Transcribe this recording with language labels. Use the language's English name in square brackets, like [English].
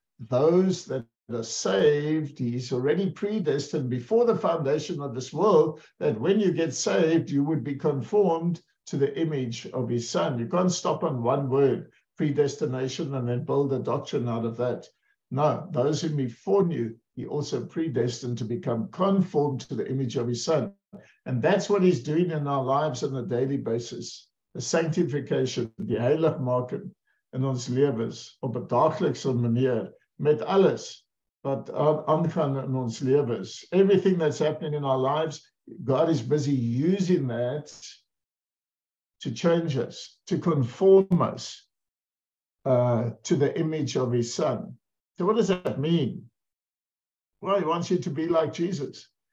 [English] Those that are saved, he's already predestined before the foundation of this world, that when you get saved, you would be conformed to the image of his son. You can't stop on one word, predestination, and then build a doctrine out of that. No, those whom he foreknew, he also predestined to become conformed to the image of his son. And that's what he's doing in our lives on a daily basis. The sanctification, the [Dutch] heiligmaking in ons levens, op een dagelijkse manier, met alles wat aangaan in ons levens. [English] Everything that's happening in our lives, God is busy using that to change us, to conform us to the image of his son. So what does that mean? Well, he wants you to be like Jesus.